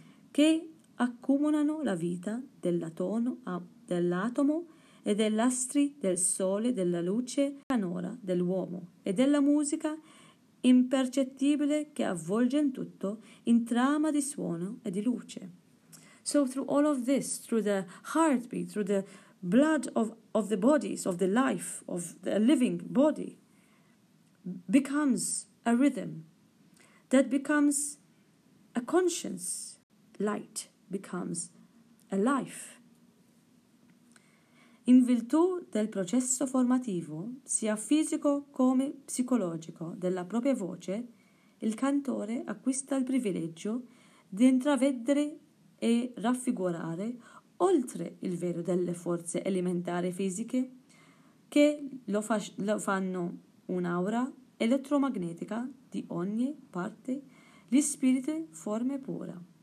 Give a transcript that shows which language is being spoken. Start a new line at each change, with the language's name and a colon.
Italian: che accumulano la vita dell'atomo e degli astri del sole, della luce canora dell'uomo e della musica impercettibile che avvolge in tutto in trama di suono e di luce.
English: So through all of this, through the heartbeat, through the blood of the bodies, of the life, of the living body, becomes a rhythm that becomes a conscience. Light becomes a life.
Italian: In virtù del processo formativo, sia fisico come psicologico, della propria voce, il cantore acquista il privilegio di intravedere e raffigurare oltre il velo delle forze elementari fisiche che lo fanno un'aura elettromagnetica di ogni parte, gli spiriti forme pura.